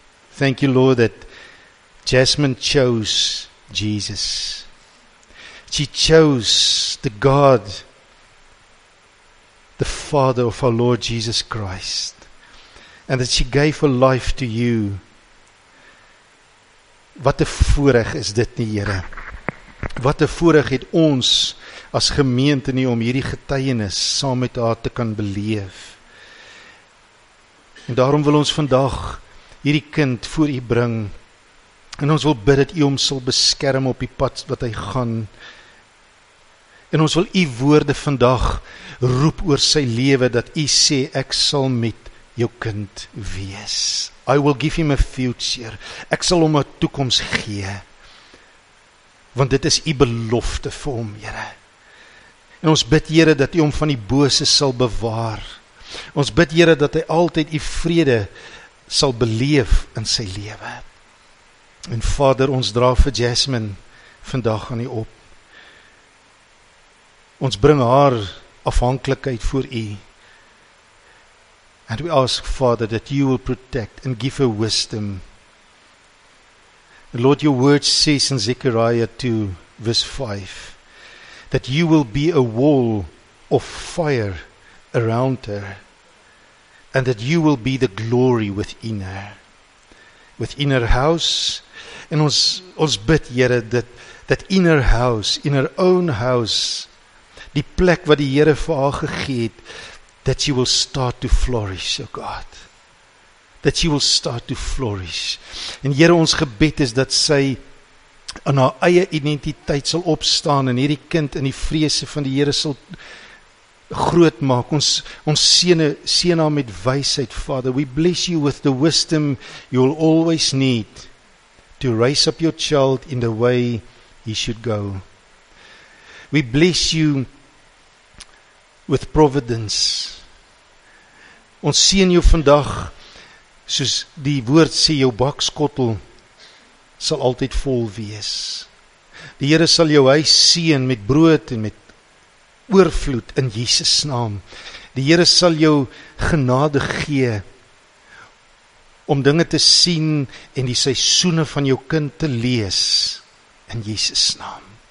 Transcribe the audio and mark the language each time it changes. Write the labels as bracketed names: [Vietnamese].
[English] Thank you, Lord, that Jasmine chose Jesus. She chose the God, the Father of our Lord Jesus Christ, and that she gave her life to you. [Afrikaans] Wat 'n voorreg is dit nie, Here? Wat 'n voorreg het ons as gemeente nie om hierdie getuienis saam met haar te kan beleef. En daarom wil ons vandag hierdie kind voor U bring. En ons wil bid dat U hom sal beskerm op die pad wat hy gaan. En ons wil U woorde vandag roep oor sy lewe, dat U sê, ek sal met jou kind wees. [English] I will give him a future. [Afrikaans] Ek sal hom 'n toekoms gee. Want dit is U belofte vir hom, Here. En ons bid, Here, dat U hom van die bose sal bewaar. Ons bid, Here, dat hy altyd U vrede sal beleef in sy lewe. En Vader, ons dra vir Jasmine vandag aan U op. Ons bring haar afhanklikheid voor U. [English] And we ask, Father, that You will protect and give her wisdom. And Lord, Your word says in Zechariah 2, verse 5, that You will be a wall of fire around her, and that You will be the glory within her. Within her house, and [Afrikaans] ons bid, Here, [English] that in her house, in her own house, [Afrikaans] die plek wat die Here vir haar gegee het, [English] that she will start to flourish, O God. That she will start to flourish. [Afrikaans] En Here, ons gebed is dat sy in haar eie identiteit sal opstaan en hierdie kind in die vrese van die Here sal groot maak. Ons seën haar met wysheid, [English] Father. We bless you with the wisdom you will always need to raise up your child in the way he should go. We bless you with providence. [Afrikaans] Ons seën jou vandag, soos die woord sê, jou bakskottel sal altyd vol wees. Die Here sal jou huis seën met brood en met oorvloed in Jesus naam. Die Here sal jou genade gee om dinge te sien en die seisoene van jou kind te lees in Jesus naam.